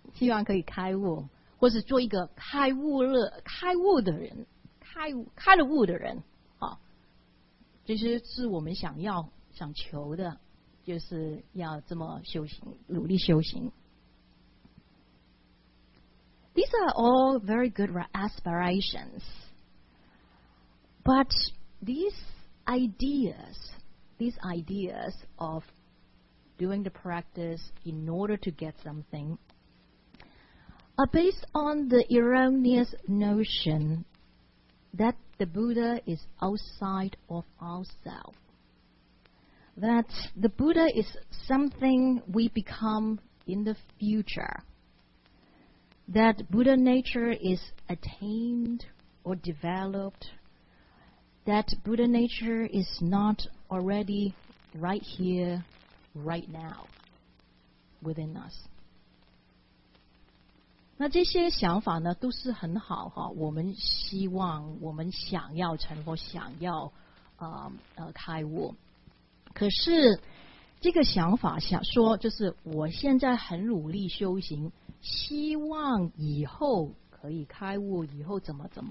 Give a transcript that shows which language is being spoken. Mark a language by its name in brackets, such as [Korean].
[Chinese] 希望可以开悟，或是做一个开悟的人，开了悟的人。其实是我们想求的，就是要这么修行，努力修行。 [English] These are all very good aspirations, but these ideas of doing the practice in order to get something are based on the erroneous notion that the Buddha is outside of ourselves. That the Buddha is something we become in the future. That Buddha nature is attained or developed. That Buddha nature is not already right here, right now, within us. [Chinese] 那这些想法呢都是很好哈，我们希望我们想要成佛，想要开悟。可是这个想法想说，就是我现在很努力修行，希望以后可以开悟，以后怎么。